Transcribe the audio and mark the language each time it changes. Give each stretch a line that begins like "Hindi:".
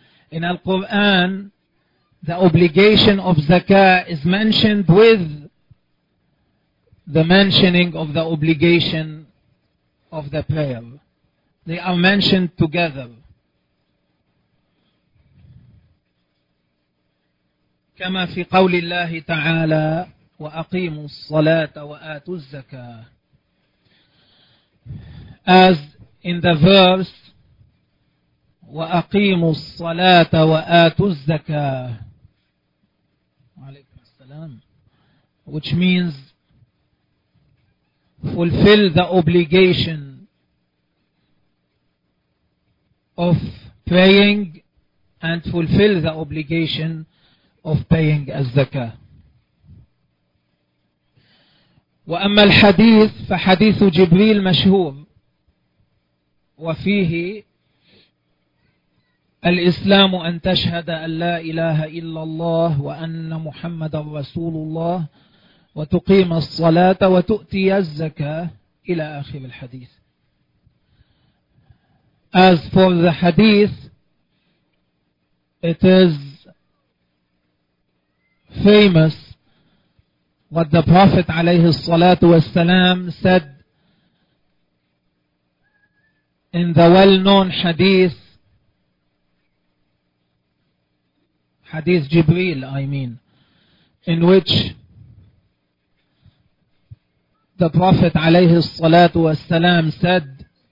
English: in Al-Quran, the obligation of zakah is mentioned with the mentioning of the obligation of the prayer. They are mentioned together.
Arabic: كما في قول الله تعالى وأقيموا الصلاة وآتوا الزكاة.
English: As in the verse
Arabic: وأقيموا الصلاة وآتوا الزكاة. عليكم السلام.
English: Which means fulfill the obligation of praying and fulfill the obligation of paying az-zakah.
Arabic: وأما الحديث فحديث جبريل مشهور وفيه الإسلام أن تشهد أن لا إله إلا الله وأن محمد رسول الله وتقيم الصلاة وتؤتي الزكاة إلى آخر الحديث.
English: As for the hadith, it is famous what the Prophet عليه الصلاة والسلام said in the well-known hadith, hadith Jibreel, I mean, in which the Prophet عليه الصلاة والسلام said,